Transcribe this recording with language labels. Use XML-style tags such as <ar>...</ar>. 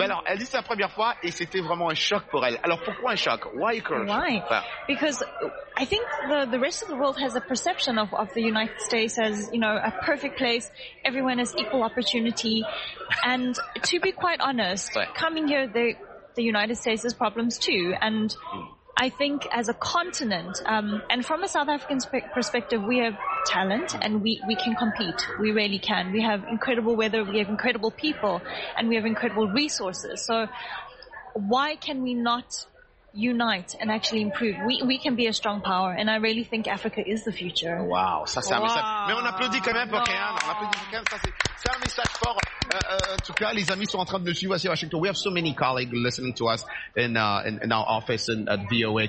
<fr>Alors, elle dit c'est la première fois et c'était vraiment un choc pour elle. Alors pourquoi un choc?</fr> <en>Why a culture? Why? Because I think the rest of the world has a perception of the United States as, a perfect place, everyone has equal opportunity. And to be quite honest, coming here, the United States has problems too. And I think as a continent, and from a South African perspective, we have talent and we can compete. We really can. We have incredible weather, we have incredible people, and we have incredible resources. So why can we not unite and actually improve? We can be a strong power, and I really think Africa is the future.</en> <fr>Wow, ça c'est un message. Mais on applaudit quand même pour Kéane. On applaudit quand même, c'est un message fort. En tout cas, les amis sont en train de nous suivre à Washington.</fr> <en>We have so many colleagues listening to us in our office and at VOA.</en>